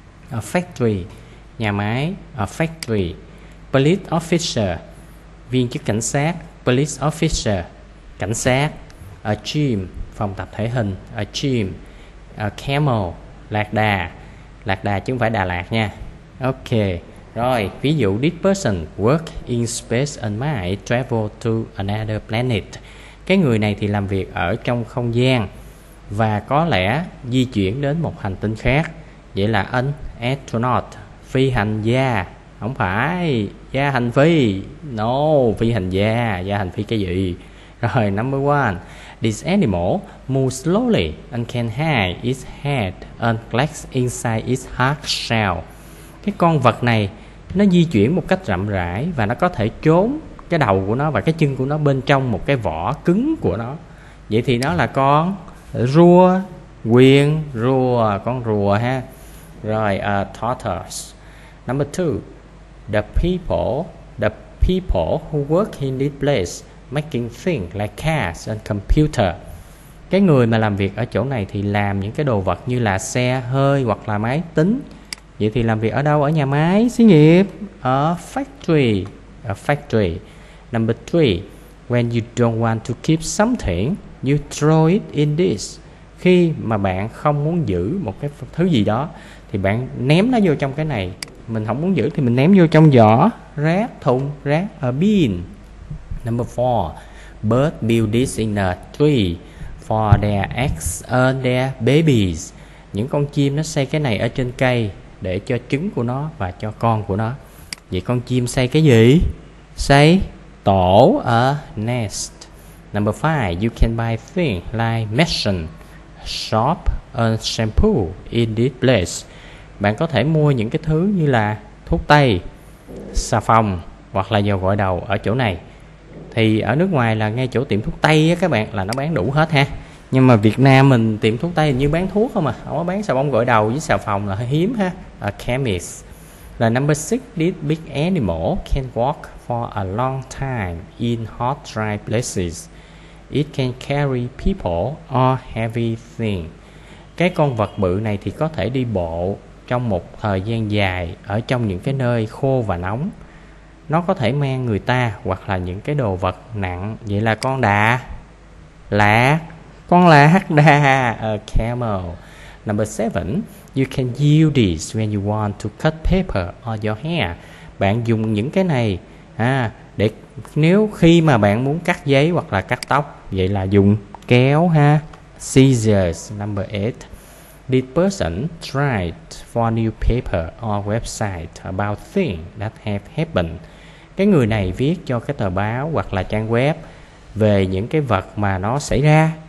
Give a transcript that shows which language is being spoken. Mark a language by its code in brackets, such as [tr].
[en] A factory, nhà máy. A factory. [vi] Police officer, viên chức cảnh sát. Police officer, cảnh sát. A gym, phòng tập thể hình. A gym. [en] A camel, lạc đà. [vi] Lạc đà chứ không phải Đà Lạt nha. Ok. Rồi, ví dụ [en] this person work in space and might travel to another planet. [vi] Cái người này thì làm việc ở trong không gian và có lẽ di chuyển đến một hành tinh khác. Vậy là an astronaut, phi hành gia. Không phải gia hành phi. No, phi hành gia. Gia hành phi cái gì? Rồi, number one. [en] This animal moves slowly and can hide its head and legs inside its hard shell. [vi] Cái con vật này nó di chuyển một cách rậm rãi và nó có thể trốn cái đầu của nó và cái chân của nó bên trong một cái vỏ cứng của nó. Vậy thì nó là con rùa, quyền rùa, con rùa ha. [en] Rồi, a tortoise. Number two, the people who work in this place making things like cars and computer. [vi] Cái người mà làm việc ở chỗ này thì làm những cái đồ vật như là xe hơi hoặc là máy tính. Vậy thì làm việc ở đâu? Ở nhà máy, xí nghiệp. [en] Ở factory. A factory. Number three, when you don't want to keep something, you throw it in this. [vi] Khi mà bạn không muốn giữ một cái thứ gì đó thì bạn ném nó vô trong cái này. Mình không muốn giữ thì mình ném vô trong giỏ rác, thùng rác, a bin. [en] Number four, birds build this in a tree for their eggs and their babies. [vi] Những con chim nó xây cái này ở trên cây để cho trứng của nó và cho con của nó. Vậy con chim xây cái gì? Xây tổ, a nest. [en] Number five, you can buy things like medicine, soap and shampoo in this place. [vi] Bạn có thể mua những cái thứ như là thuốc tây, xà phòng hoặc là dầu gội đầu ở chỗ này. Thì ở nước ngoài là ngay chỗ tiệm thuốc tây á các bạn là nó bán đủ hết ha. Nhưng mà Việt Nam mình tiệm thuốc tây như bán thuốc không à, không có bán xà bông gội đầu với xà phòng là hơi hiếm ha. [en] A chemist. Là number 6, this big animal can walk for a long time in hot dry places. It can carry people or heavy things. [vi] Cái con vật bự này thì có thể đi bộ trong một thời gian dài ở trong những cái nơi khô và nóng. Nó có thể mang người ta hoặc là những cái đồ vật nặng. Vậy là con đà lạc. Con lạc đà. A camel. [en] Number 7, you can use this when you want to cut paper or your hair. [vi] Bạn dùng những cái này để nếu khi mà bạn muốn cắt giấy hoặc là cắt tóc. Vậy là dùng kéo ha. Scissors. [en] Number 8, this person tried for new paper or website about things that have happened. [vi] Cái người này viết cho cái tờ báo hoặc là trang web về những cái vật mà nó xảy ra.